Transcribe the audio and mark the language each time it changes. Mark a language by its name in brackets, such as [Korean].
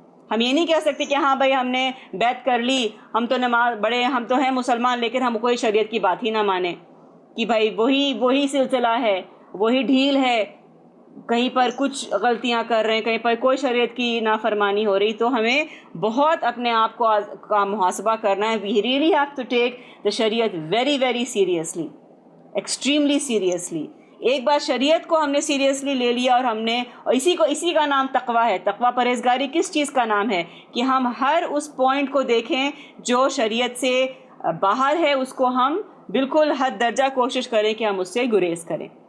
[Urdu] ہم یہ نہیں کہہ سکتے کہ ہاں بھائی ہم نے بیعت کر لی, ہم تو نماز بڑے, ہم تو ہیں مسلمان, لیکن ہم کوئی شریعت کی بات ہی نہ مانیں, کہ بھائی وہی سلسلہ ہے, وہی ڈھیل ہے, کہیں پر کچھ غلطیاں کر رہے ہیں, کہیں پر کوئی شریعت کی نافرمانی ہو رہی. تو ہمیں بہت اپنے آپ کو کا محاسبہ کرنا ہے. [English] We really have to take the sharia very very seriously, extremely seriously. [Urdu] ایک بار شریعت کو ہم نے سیریسلی لے لیا اور ہم نے اسی کا نام تقویٰ ہے. تقویٰ پرہیزگاری کس چیز کا نام ہے کہ ہم ہر اس پوائنٹ کو دیکھیں جو شریعت سے باہر ہے, اس کو ہم بالکل حد درجہ کوشش کریں کہ ہم اس سے گریز کریں.